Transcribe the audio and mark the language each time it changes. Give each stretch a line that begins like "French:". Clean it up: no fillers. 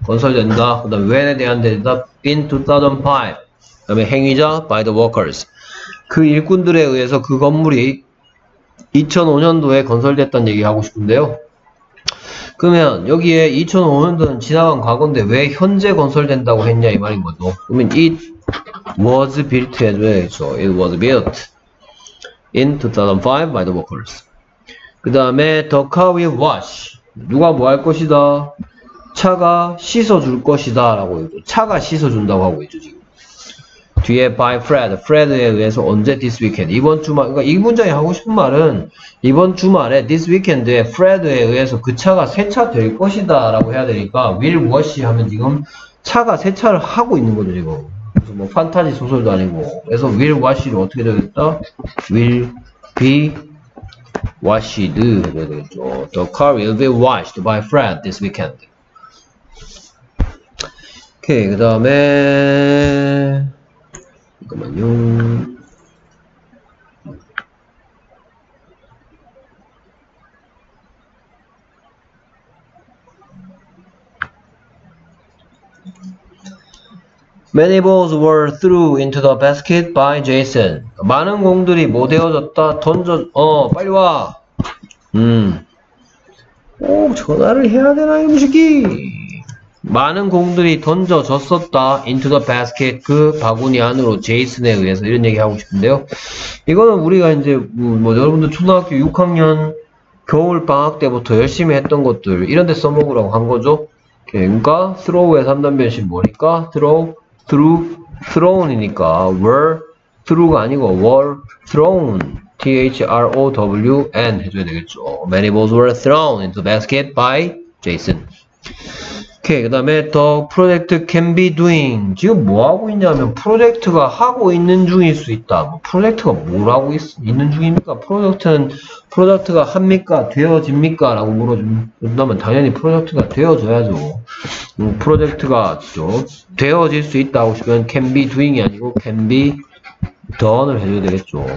Korean: 건설된다. 그다음 when에 대한 대답
English: in 2005.
Korean: 그다음에 행위자
English: by the workers.
Korean: 그 일꾼들에 의해서 그 건물이 2005년도에 건설됐다는 얘기 하고 싶은데요. 그러면 여기에 2005년도는 지나간 과거인데 왜 현재 건설된다고 했냐 이 말인 거죠. 그러면
English: it was built as well. So it was built in 2005 by the workers.
Korean: 그 다음에
English: the car will wash.
Korean: 누가 뭐 할 것이다. 차가 씻어줄 것이다 라고 있고, 차가 씻어준다고 하고 있죠 지금. 뒤에 by Fred. Fred에 의해서 언제 this weekend. 이번 주말. 그러니까 이 문장이 하고 싶은 말은 이번 주말에
English: this weekend
Korean: 에 Fred에 의해서 그 차가 세차 될 것이다 라고 해야 되니까
English: will wash
Korean: 하면 지금 차가 세차를 하고 있는 거죠 지금. 그래서 뭐 판타지 소설도 아니고. 그래서
English: will wash
Korean: 를 어떻게 되겠다.
English: will be washed.
Korean: 그래야 되겠죠.
English: The car will be washed by Fred this weekend.
Korean: 오케이. 그 다음에 잠깐만요.
English: 'Many balls were threw into the basket by Jason.'
Korean: 많은 공들이 뭐 되어졌다 던져. 어, 빨리 와. 오, 전화를 해야 되나 이 무식이. 많은 공들이 던져졌었다
English: into the basket
Korean: 그 바구니 안으로 제이슨에 의해서 이런 얘기 하고 싶은데요. 이거는 우리가 이제 뭐 여러분들 초등학교 6학년 겨울 방학 때부터 열심히 했던 것들 이런 데 써먹으라고 한 거죠. 그러니까 throw의 3단 변신 뭐니까 throw, through, thrown이니까
English: were through
Korean: 가 아니고
English: were thrown
Korean: THROWN 해줘야 되겠죠.
English: Many balls were thrown into the basket by Jason.
Korean: 오케이. 그 다음에
English: the project can be doing.
Korean: 지금 뭐하고 있냐면 프로젝트가 하고 있는 중일 수 있다. 프로젝트가 뭘 하고 있는 중입니까? 프로젝트는 프로젝트가 합니까? 되어집니까? 라고 물어준다면 당연히 프로젝트가 되어져야죠. 프로젝트가 되어질 수 있다 하고 싶으면
English: can be doing
Korean: 이 아니고
English: can be done
Korean: 을 해줘야 되겠죠.